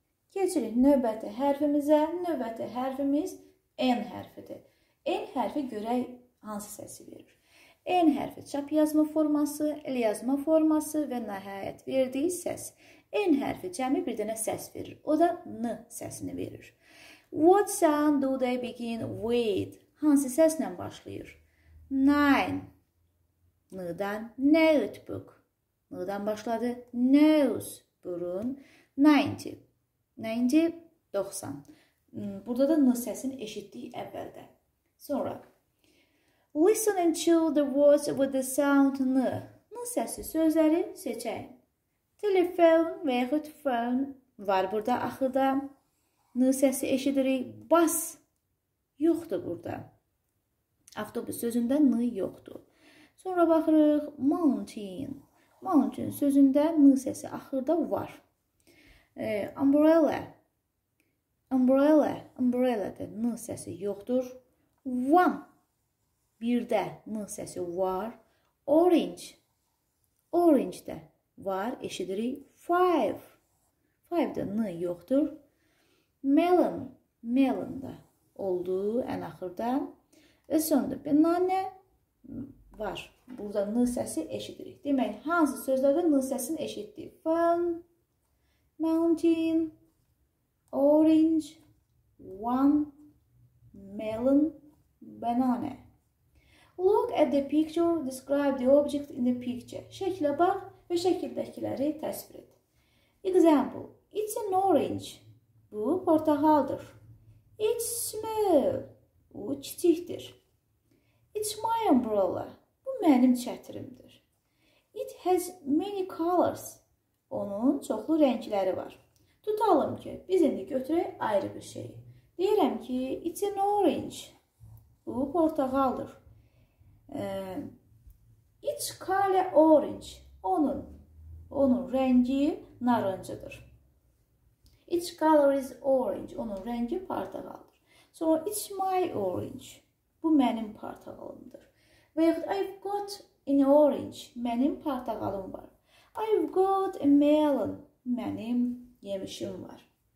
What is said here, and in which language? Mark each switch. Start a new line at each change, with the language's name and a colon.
Azerbaijani: Keçirik növbəti hərfimizə. Növbəti hərfimiz N hərfidir. N hərfi görək hansı səsi verir. N hərfi çap yazma forması, el yazma forması və nəhayət verdiyi səs. N hərfi cəmi bir dənə səs verir. O da N səsini verir.
English: What sound do they begin with?
Azerbaijani: Hansı səslə başlayır? Nine. N-dan notebook. Nədən başladı?
English: Nose,
Azerbaijani: burun.
English: 90. 90, 90.
Azerbaijani: Burada da N səsini eşitdik əvvəldə. Sonra.
English: Listen and choose the words with the sound N.
Azerbaijani: N səsi sözləri seçəyin. Telefon və yaxud phone var burada axıda. N səsi eşidirik. Bus yoxdur burada. Avtobus sözündə N yoxdur. Sonra baxırıq. Mountain. Mountain sözündə M səsi axırda var. Umbrella. Umbrella. Umbrella-də N səsi yoxdur. One. Birdə M səsi var. Orange. Orange-də var. Eşidirik. Five. Five-də N yoxdur. Melon. Melon-də olduğu ən axırda. Və sonunda banana var. Burada N səsi eşidirik. Demək, hansı sözlərdə N səsini eşitdik?
English: Fun, mountain, orange, one, melon, banana. Look at the picture, describe the object in the picture.
Azerbaijani: Şəklə bax və şəkildəkiləri təsvir et.
English: Example, it's an orange.
Azerbaijani: Bu, portağaldır.
English: It's small.
Azerbaijani: Bu, kiçikdir.
English: It's my umbrella.
Azerbaijani: Mənim çətirimdir.
English: It has many colors.
Azerbaijani: Onun çoxlu rəngləri var. Tutalım ki, biz indi götürək ayrı bir şey. Deyirəm ki,
English: it's an orange.
Azerbaijani: Bu, portağaldır.
English: It's color orange.
Azerbaijani: Onun rəngi narıncıdır.
English: Its color is orange.
Azerbaijani: Onun rəngi portağaldır. Sonra,
English: it's my orange.
Azerbaijani: Bu, mənim portağalımdır.
English: Veyahut, I've got an orange.
Azerbaijani: Mənim portağalım var.
English: I've got a melon.
Azerbaijani: Mənim yemişim var.